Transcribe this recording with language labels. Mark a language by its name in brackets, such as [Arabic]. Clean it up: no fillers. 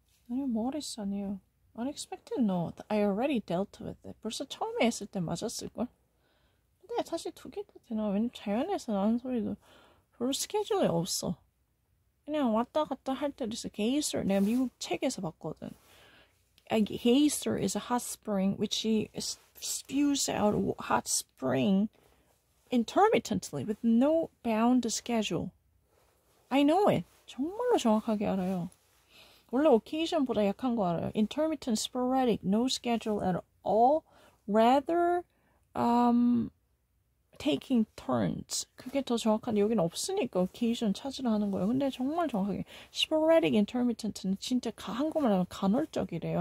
[Korean] 아니, 모르겠어요. [English] Unexpected note. I already dealt with it. [Korean] 벌써 처음에 했을 때 맞았을걸? 근데 사실 두 개도 되나? 왜냐면 자연에서 나는 소리도 별로 스케줄이 없어. 그냥 왔다 갔다 할 때도 있어. [English] Geyser. [Korean] 내가 미국 책에서 봤거든. [English] A geyser is a hot spring which spews out hot spring intermittently with no bound schedule. I know it. [Korean] 정말로 정확하게 알아요. 원래 occasion보다 약한 거 알아요. [English] Intermittent, sporadic, no schedule at all, rather, taking turns. [Korean] 그게 더 정확한데 여기는 없으니까 occasion 찾으러 하는 거예요. 근데 정말 정확하게 sporadic, intermittent는 진짜 한국말로 하면 간헐적이래요.